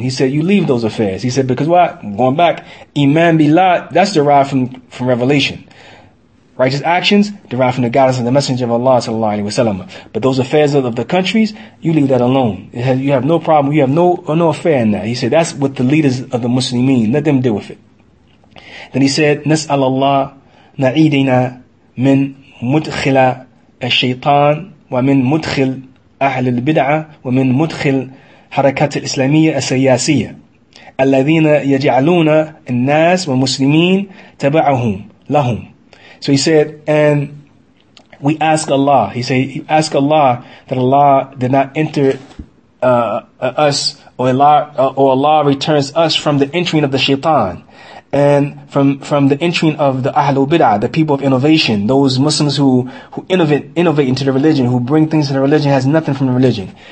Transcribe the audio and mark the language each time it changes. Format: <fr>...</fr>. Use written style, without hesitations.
<en>He said, you leave those affairs. He said, because why? Going back, Iman Billah, that's derived from revelation. Righteous actions, derived from the guidance and the Messenger of Allah, sallallahu alaihi wasallam. But those affairs of the countries, you leave that alone. You have no problem, you have no affair in that. He said, that's what the leaders of the Muslims mean. Let them deal with it. Then he said,</en> <ar>نسأل الله نعيدنا من مدخل الشيطان ومن مدخل أهل البدعة ومن مدخل حركات الإسلامية السياسية الذين يجعلون الناس والمسلمين تبعهم</ar> <en>lahum. So he said, and we ask Allah. He said, ask Allah that Allah did not enter us, or Allah returns us from the entering of the shaitan, and from the entering of the Ahlul Bid'ah, the people of innovation, those Muslims who innovate into the religion, who bring things to the religion, has nothing from the religion.</en>